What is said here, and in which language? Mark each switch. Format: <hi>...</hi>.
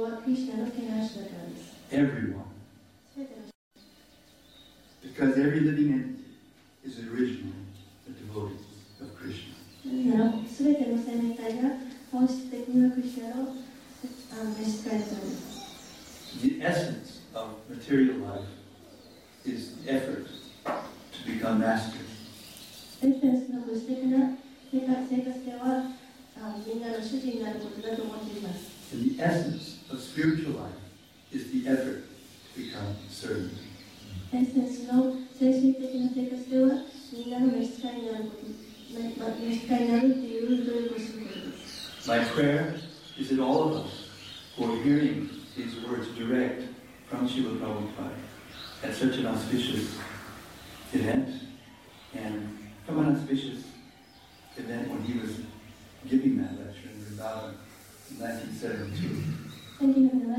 <en>Everyone. Because every living entity is originally a devotee of Krishna.</en> <ja>なぜすべての生命体が本質的なクリスナの召し使いです。</ja> <en>The essence of material life is the effort to become master.</en> <ja>エッセンスの物質的な生活ではみんなの主人になることだと思っています。</ja> <en>And the essence of spiritual life is the effort to become servant.</en> <ja>エッセンスの精神的な生活ではみんなの召し使いになること、召し使いになるっていう努力をすること。</ja> <en>My prayer is that all of us who are hearing these words direct from Srila Prabhupada at such an auspicious event and from an auspicious event when he was giving that lecture in Vrindavan in 1972.</en>